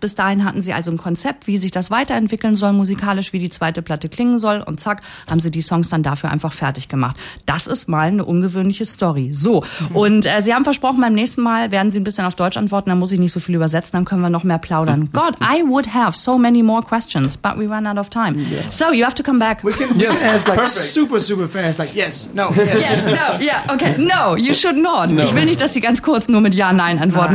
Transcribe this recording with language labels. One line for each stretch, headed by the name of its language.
German: Bis dahin hatten sie also ein Konzept, wie sich das weiterentwickeln soll musikalisch, wie die zweite Platte klingen soll, und zack, haben sie die Songs dann dafür einfach fertig gemacht. Das ist mal eine ungewöhnliche Story. So, und sie haben versprochen, beim nächsten Mal werden sie ein bisschen auf Deutsch antworten, dann muss ich nicht so viel übersetzen, dann können wir noch mehr plaudern.
English: God, I would have so many more questions, but we ran out of time. Yeah. So, you have to come back. We can yes. ask like perfect. Super, super fast, like yes, no, yes. Yes, no, yeah, okay, no, you should not. No.
German: Ich will nicht, dass sie ganz kurz nur mit Ja, Nein antworten.